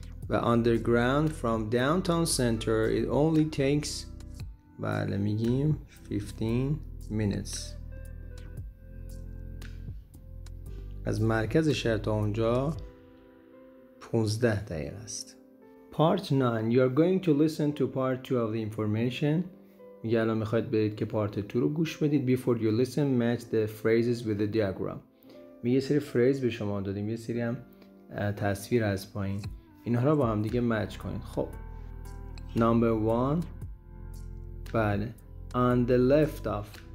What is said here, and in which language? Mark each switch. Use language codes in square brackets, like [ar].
[en] و underground from downtown center it only takes، [fa] بله میگیم [en] 15 minutes. [fa] از مرکز شهر تا اونجا 15 دقیقه است. [en] part 9 you are going to listen to part 2 of the information. [fa] میگه الان میخواید برید که پارت 2 رو گوش بدید. [en] before you listen match the phrases with the diagram. [fa] میگه یه سری فریز به شما دادیم، یه سری هم تصویر از پایین، اینها رو با هم دیگه مچ کنید. خب [en] number 1 بله. On the left of.